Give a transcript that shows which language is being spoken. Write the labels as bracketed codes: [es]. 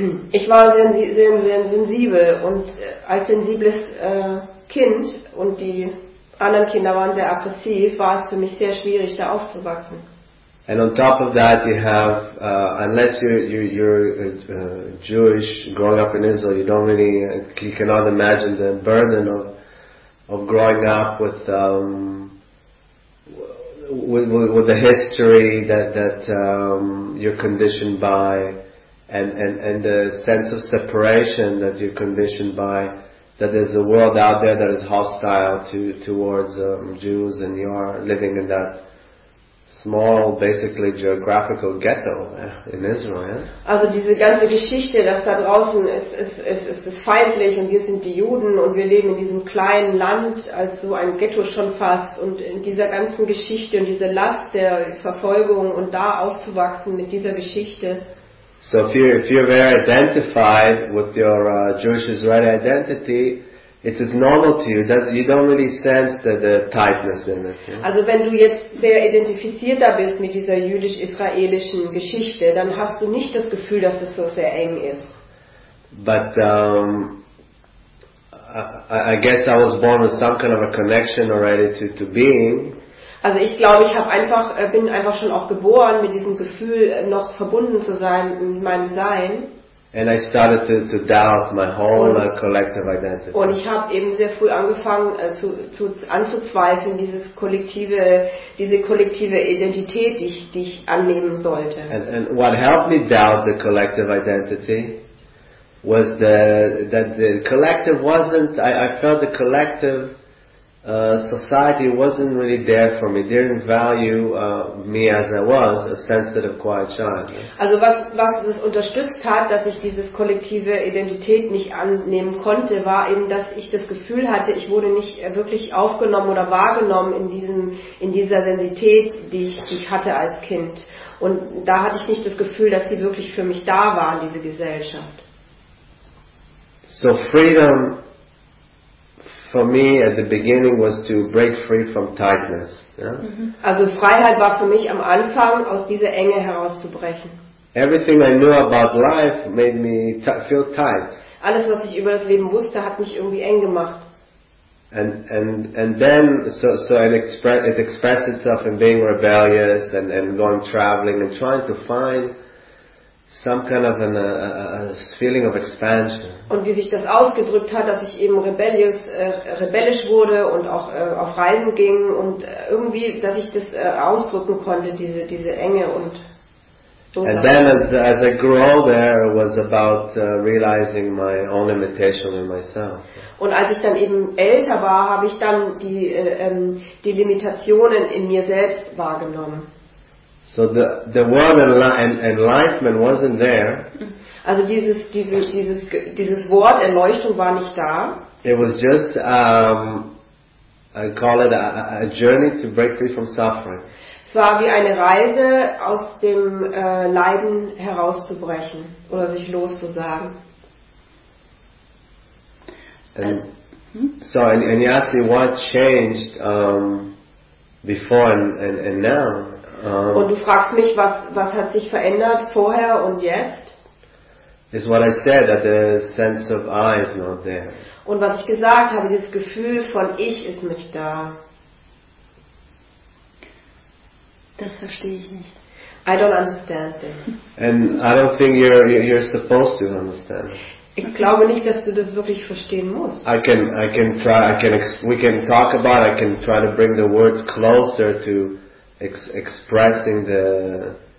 [de] Ich war sehr sensibel und als sensibles Kind und die anderen Kinder waren sehr aggressiv, war es für mich sehr schwierig, da aufzuwachsen. [en] And on top of that, you have unless you're Jewish, growing up in Israel, you don't really you cannot imagine the burden of growing up with the history that you're conditioned by. And the sense of separation that you're conditioned by, that there's a world out there that is hostile towards Jews, and you are living in that small, basically geographical ghetto in Israel. [de] Also diese ganze Geschichte, dass da draußen ist feindlich und wir sind die Juden und wir leben in diesem kleinen Land als so ein Ghetto schon fast, und in dieser ganzen Geschichte und diese Last der Verfolgung und da aufzuwachsen mit dieser Geschichte. [en] So if you're very identified with your Jewish Israeli identity, it is normal to you. That you don't really sense the tightness in it. Yeah? [de] Also wenn du jetzt sehr identifizierter bist mit dieser jüdisch-israelischen Geschichte, dann hast du nicht das Gefühl, dass es so sehr eng ist. [en] But I guess I was born with some kind of a connection already to being. [de] Also ich glaube, ich bin einfach schon auch geboren mit diesem Gefühl, noch verbunden zu sein mit meinem Sein. [en] And I started to doubt my whole collective identity. [de] Und ich habe eben sehr früh angefangen anzuzweifeln, diese kollektive Identität, die ich annehmen sollte. [en] And what helped me doubt the collective identity was that the collective wasn't, I felt the collective society wasn't really there for me. They didn't value me as I was, a sensitive, quiet child. [de] Also was das unterstützt hat, dass ich dieses kollektive Identität nicht annehmen konnte, war eben, dass ich das Gefühl hatte, ich wurde nicht wirklich aufgenommen oder wahrgenommen in dieser Sensität, die ich hatte als Kind. Und da hatte ich nicht das Gefühl, dass die wirklich für mich da waren, diese Gesellschaft. [en] So freedom for me at the beginning was to break free from tightness. Yeah? Mm-hmm. [de] Also Freiheit war für mich am Anfang, aus dieser Enge herauszubrechen. [en] Everything I knew about life made me feel tight. [de] Alles, was ich über das Leben wusste, hat mich irgendwie eng gemacht. [en] And then so it expressed itself in being rebellious and going traveling and trying to find some kind of a feeling of expansion. [de] Und wie sich das ausgedrückt hat, dass ich eben rebellisch wurde und auch auf Reisen ging und irgendwie, dass ich das ausdrücken konnte, diese Enge und Dosen. [en] And then as I grew older, it was about realizing my own limitation in myself. [de] Und als ich dann eben älter war, habe ich dann die Limitationen in mir selbst wahrgenommen. [en] So the word enlightenment wasn't there. [de] Also dieses Wort Erleuchtung war nicht da. [en] It was just I call it a journey to break free from suffering. [de] Es war wie eine Reise, aus dem Leiden herauszubrechen oder sich loszusagen. [en] And you asked me what changed before and now. [de] Und du fragst mich, was hat sich verändert vorher und jetzt? [en] Is what I said, that the sense of I is not there. [de] Und was ich gesagt habe, dieses Gefühl von ich ist nicht da. Das verstehe ich nicht. [en] I don't understand this. And I don't think you're supposed to understand. [de] Ich glaube nicht, dass du das wirklich verstehen musst. [en] We can talk about it. I can try to bring the words closer to expressing the